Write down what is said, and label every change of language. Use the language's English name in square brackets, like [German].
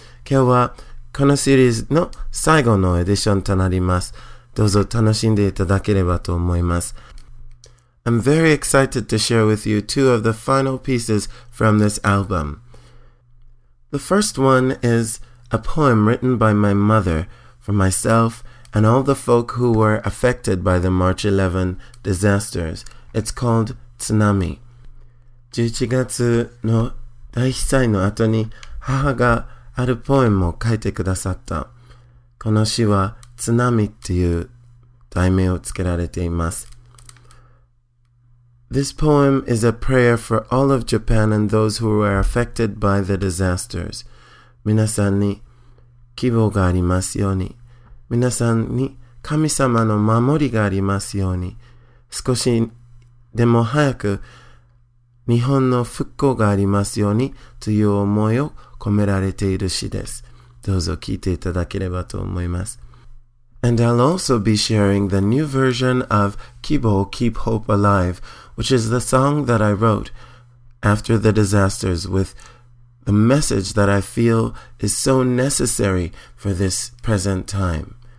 [Japanese] 今日はこのシリーズの最後のエディションとなります。どうぞ楽しんでいただければと思います。 [English] I'm very excited to share with you two of the final pieces from this album. The first one is a poem written by my mother for myself and all the folk who were affected by the March 11 disasters. It's called Tsunami. [Japanese] 11月の大被災の後に母があるポエムを書いてくださった。この詩は津波っていう題名をつけられています。 [English] This poem is a prayer for all of Japan and those who were affected by the disasters. [Japanese] 皆さんに希望がありますように。皆さんに神様の守りがありますように。少しでも早く日本の復興がありますようにという思いを込められている詩です。どうぞ聞いていただければと思います。 [English] And I'll also be sharing the new version of Kibo, Keep Hope Alive, which is the song that I wrote after the disasters with the message that I feel is so necessary for this present time.